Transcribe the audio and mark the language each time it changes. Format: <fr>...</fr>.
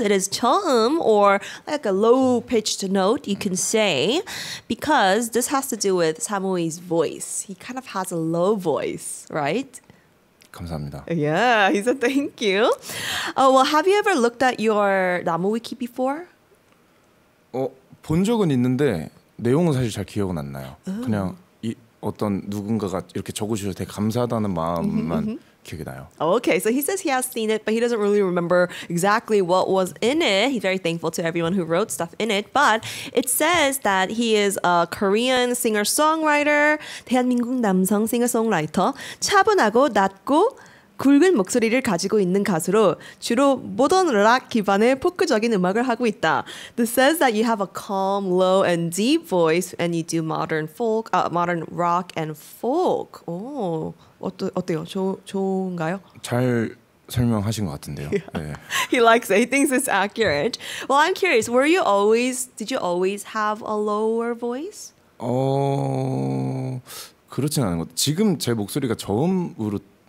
<en>It is 처음, or like a low-pitched note, you can say, because this has to do with Samui's voice. He kind of has a low voice, right?</en> <ko>감사합니다.</ko> <en>Yeah, he said thank you. Well, have you ever looked at your 나무 wiki before?</en> <ko>본 적은 있는데 내용은 사실 잘 기억은 안 나요. 그냥 이 어떤 누군가가 이렇게 적어주셔서 되게 감사하다는 마음만</ko> <en>Okay, so he says he has seen it, but he doesn't really remember exactly what was in it. He's very thankful to everyone who wrote stuff in it, but it says that he is a Korean singer-songwriter,</en> <ko>대한민국 남성 singer-songwriter, 차분하고 낮고 굵은 목소리를 가지고 있는 가수로 주로 모던 락 기반의 포크적인 음악을 하고 있다.</ko> <en>This says that you have a calm, low, and deep voice, and you do modern folk, modern rock and folk.</en> <ko>Oh, 어때요? 좋은가요? 잘 설명하신 것 같은데요.</ko> <en>Yeah. 네. He likes it. He thinks it's accurate. Well, I'm curious. Were you always? Did you always have a lower voice?</en> <ko>그렇진 않은 것. 지금 제 목소리가 저음으로.</ko>